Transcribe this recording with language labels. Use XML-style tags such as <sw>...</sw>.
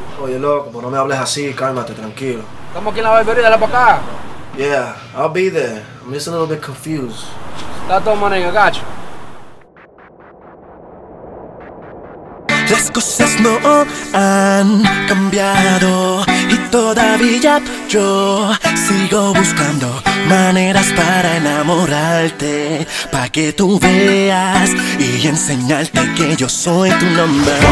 <es>Oye, loco, pero no me hables así. Cálmate, tranquilo. Estamos aquí en la barbería, dale para acá.</es> <en>Yeah, I'll be there. I'm just a little bit confused. Stop throwing money, I got you.</en> <es>Las cosas no han cambiado y todavía yo sigo buscando maneras para enamorarte, pa' que tú veas y enseñarte que yo soy tu number</es>